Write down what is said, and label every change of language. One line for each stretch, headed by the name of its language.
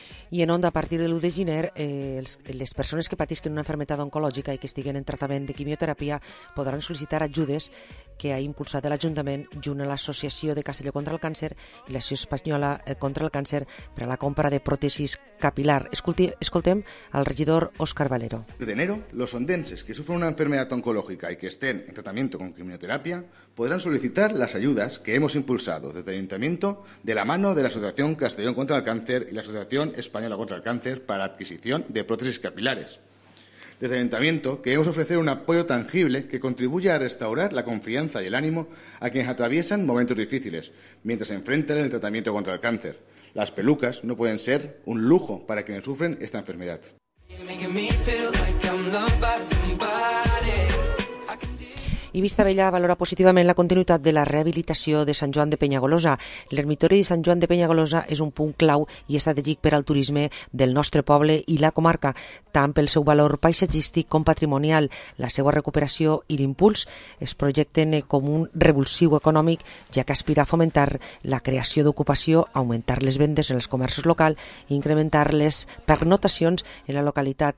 Catalan: I en Onda, a partir de l'1 de gener, les persones que patisquen una malaltia oncològica i que estiguen en tractament de quimioteràpia podran sol·licitar ajudes que ha impulsat l'Ajuntament junt a l'Associació de Castelló contra el Càncer i l'Associació Espanyola contra el Càncer per a la compra de pròtesis capilar. Escoltem al regidor Òscar Valero.
Spanish: De enero, los ondenses que sufren una enfermedad oncológica y que estén en tratamiento con quimioterapia podrán solicitar las ayudas que hemos impulsado desde el Ayuntamiento de la mano de la Asociación Castelló contra el Càncer y la Asociación Española contra el Càncer para adquisición de prótesis capilares. Desde el Ayuntamiento queremos ofrecer un apoyo tangible que contribuya a restaurar la confianza y el ánimo a quienes atraviesan momentos difíciles mientras se enfrentan al tratamiento contra el cáncer. Las pelucas no pueden ser un lujo para quienes sufren esta enfermedad.
English: You're making me feel like I'm loved by somebody.
Catalan: I Vistabella valora positivament la continuïtat de la rehabilitació de Sant Joan de Penyagolosa. L'ermitori de Sant Joan de Penyagolosa és un punt clau i estratègic per al turisme del nostre poble i la comarca, tant pel seu valor paisatgístic com patrimonial. La seva recuperació i l'impuls es projecten com un revulsiu econòmic, ja que aspira a fomentar la creació d'ocupació, augmentar les vendes en els comerços locals i incrementar les pernotacions en la localitat.